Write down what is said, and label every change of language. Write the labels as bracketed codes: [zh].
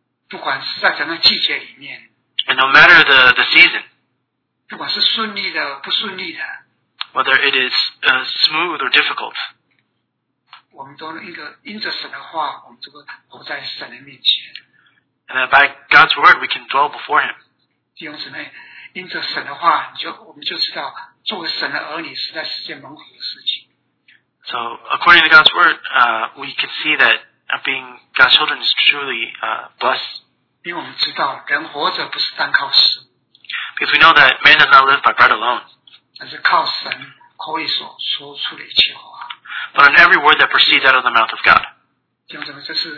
[en] And no matter the season, whether it is smooth or difficult, and that by God's word, we can dwell before Him. [zh] 弟兄姊妹，因着神的话，我们就知道，作为神的儿女，实在是件蛮好的事情。 [en] So according to God's word, we can see that being God's children is truly blessed. [zh] 因为我们知道，人活着不是单靠食物。 [en] Because we know that man does not live by bread alone. [zh] 而是靠神口里所说出的一切话。 [en] But on every word that proceeds out of the mouth of God.